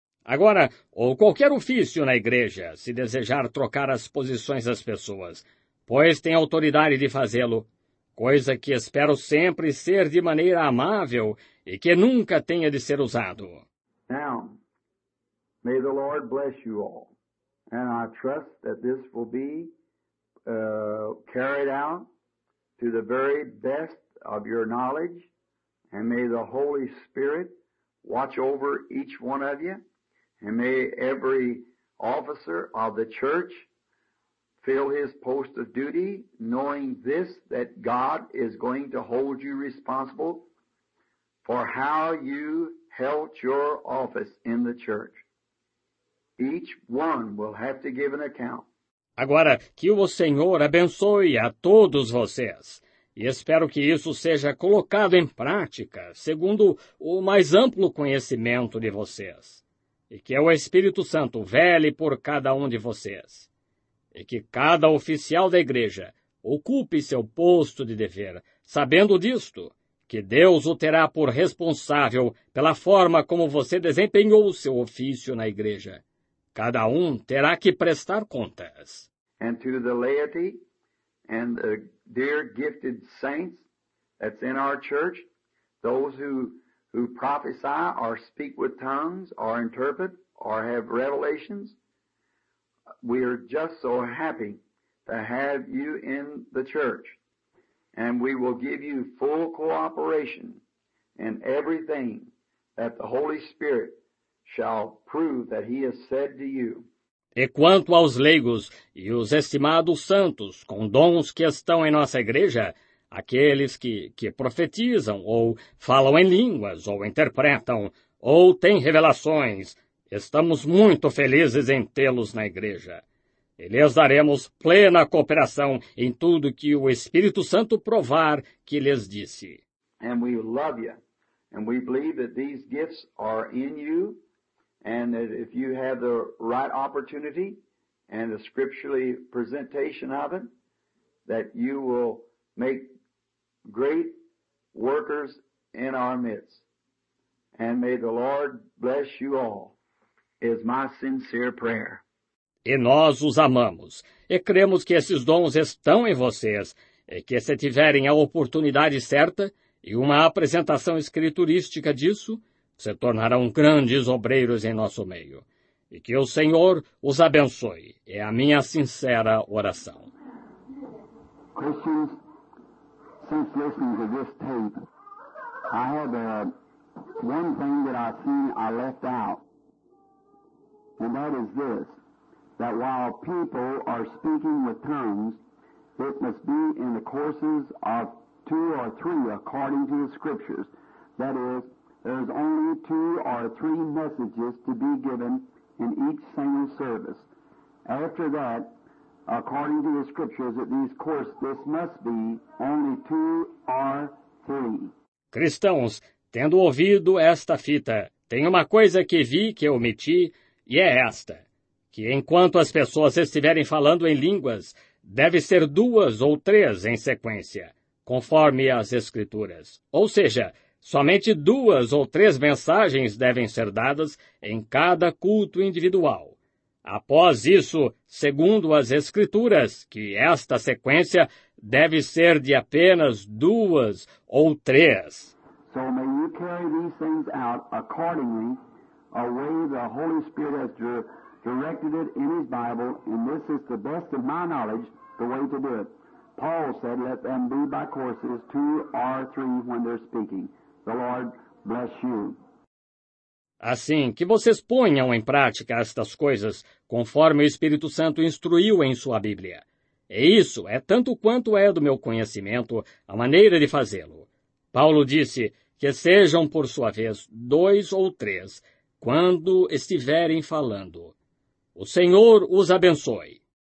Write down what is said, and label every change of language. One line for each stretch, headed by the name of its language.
Portuguese: Agora, ou qualquer ofício na igreja, se desejar trocar as posições das pessoas, pois tem autoridade de fazê-lo, coisa que espero sempre ser de maneira amável e que nunca tenha de ser usado.
English: Now, may the Lord bless you all, and I trust that this will be carried out to the very best of your knowledge, and may the Holy Spirit watch over each one of you, and may every officer of the church fill his post of duty, knowing this, that God is going to hold you responsible for how you held your office in the church. Each one will have to give an account.
Portuguese: Agora, que o Senhor abençoe a todos vocês, e espero que isso seja colocado em prática, segundo o mais amplo conhecimento de vocês, e que o Espírito Santo vele por cada um de vocês. E que cada oficial da igreja ocupe seu posto de dever, sabendo disto, que Deus o terá por responsável pela forma como você desempenhou o seu ofício na igreja. Cada um terá que prestar contas.
English: And to the laity and the dear gifted saints that's in our church, those who prophesy or speak with tongues or interpret or have revelations, we are just so happy to have you in the church, and we will give you full cooperation in everything that the Holy Spirit shall prove that he has said to you.
Portuguese: E quanto aos leigos e os estimados santos com dons que estão em nossa igreja, aqueles que profetizam ou falam em línguas ou interpretam ou têm revelações, estamos muito felizes em tê-los na igreja. E lhes daremos plena cooperação em tudo que o Espírito Santo provar que lhes disse.
English: And we love you. And we believe that these gifts are in you. And that if you have the right opportunity and the scripturally presentation of it, that you will make great workers in our midst. And may the Lord bless you all. Is my sincere prayer.
Portuguese: E nós os amamos, e cremos que esses dons estão em vocês, e que se tiverem a oportunidade certa e uma apresentação escriturística disso, se tornarão grandes obreiros em nosso meio. E que o Senhor os abençoe, é a minha sincera oração.
English: Christians, since listening to this tape, I have one thing that I see I left out. And that is this, that while people are speaking with tongues It must be in the courses of two or three according to the Scriptures. That is, there is only two or three messages to be given in each single service. After that, according to the Scriptures, at these courses, this must be only two or three.
Portuguese: Cristãos, tendo ouvido esta fita, tem uma coisa que vi que eu omiti, e é esta, que enquanto as pessoas estiverem falando em línguas, deve ser duas ou três em sequência, conforme as Escrituras. Ou seja, somente duas ou três mensagens devem ser dadas em cada culto individual. Após isso, segundo as Escrituras, que esta sequência deve ser de apenas duas ou três.
English: So may you carry these things out accordingly, a way the Holy Spirit has directed it in His Bible, and this is the best of my knowledge, the way to do it. Paul said, let them be by courses, two or three when they're speaking. The Lord bless you.
Portuguese: Assim, que vocês ponham em prática estas coisas, conforme o Espírito Santo instruiu em sua Bíblia. E isso é tanto quanto é do meu conhecimento a maneira de fazê-lo. Paulo disse que sejam, por sua vez, dois ou três, quando estiverem falando. O Senhor os abençoe.